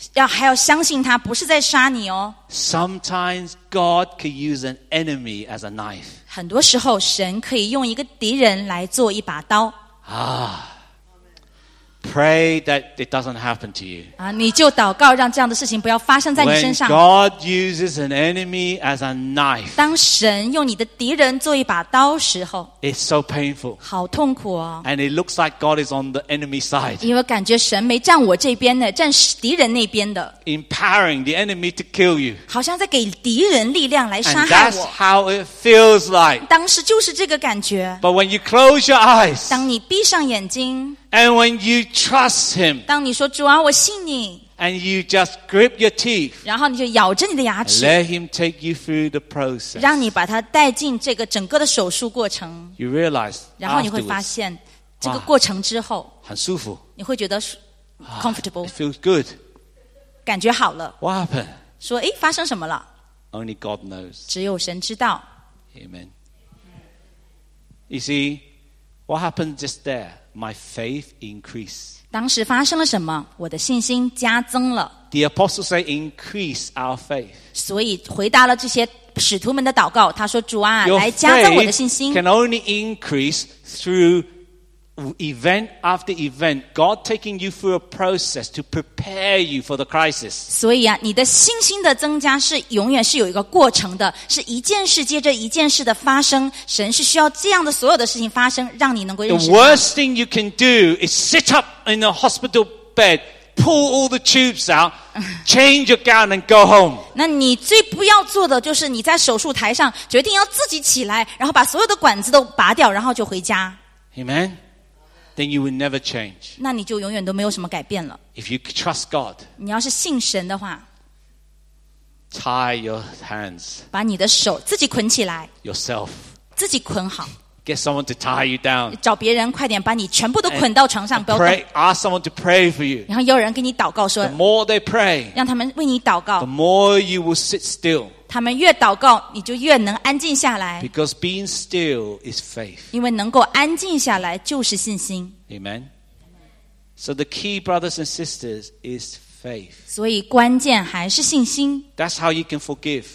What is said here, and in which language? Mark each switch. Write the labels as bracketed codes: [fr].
[zh] 还要相信他不是在杀你哦 [en] Sometimes God can use an enemy as a knife. [zh] 很多时候神可以用一个敌人来做一把刀 [en] Pray that it doesn't happen to you. [zh] 你就祷告让这样的事情不要发生在你身上。 [en] When God uses an enemy as a knife, [zh] 当神用你的敌人做一把刀时候 [en] it's so painful. [zh] 好痛苦哦。 [en] And it looks like God is on the enemy side. [zh] 因为感觉神没站我这边的，站敌人那边的。 [en] Empowering the enemy to kill you. [zh] 好像在给敌人力量来杀害我。 [en] And that's how it feels like. [zh] 当时就是这个感觉。 [en] But when you close your eyes, [zh] 当你闭上眼睛。 [en] And when you trust him, [zh] 当你说主啊，我信你。 [en] And you just grip your teeth, [zh] 然后你就咬着你的牙齿。 [en] Let him take you through the process, [zh] 让你把他带进这个整个的手术过程。 [en] You realize, [zh] 然后你会发现这个过程之后，很舒服。你会觉得 comfortable, [en] it feels good, [zh] 感觉好了。 [en] What happened? [zh] 说诶，发生什么了 [en] ？Only God knows, [zh] 只有神知道。 [en] Amen. You see. What happened just there? My faith increased. [zh] 当时发生了什么？我的信心加增了。 [en] The apostles say, increase our faith. [zh] 所以回答了这些使徒们的祷告，他说，主啊，来加增我的信心。 [en] Your faith can only increase through event after event, God taking you through a process to prepare you for the crisis. [zh] 所以啊，你的信心的增加是永远是有一个过程的，是一件事接着一件事的发生。神是需要这样的所有的事情发生，让你能够认识 [en] 他。The worst thing you can do is sit up in a hospital bed, pull all the tubes out, change your gown and go home. [zh] 那你最不要做的就是你在手术台上决定要自己起来，然后把所有的管子都拔掉，然后就回家。 [en] Amen. Then you will never change. [zh] 那你就永远都没有什么改变了。 [en] If you trust God, [zh] 你要是信神的话， [en] tie your hands, [zh] 把你的手自己捆起来， [en] yourself, [zh] 自己捆好。 [en] Get someone to tie you down. [zh] 找别人快点把你全部都捆到床上，不要动。 [en] Ask someone to pray for you. [zh] 然后有人给你祷告说， [en] the more they pray, [zh] 让他们为你祷告， [en] the more you will sit still. [zh] 他们越祷告，你就越能安静下来。 [en] Because being still is faith. [zh] 因为能够安静下来就是信心。 [en] Amen. So the key, brothers and sisters, is faith. [zh] 所以关键还是信心。 [en] That's how you can forgive.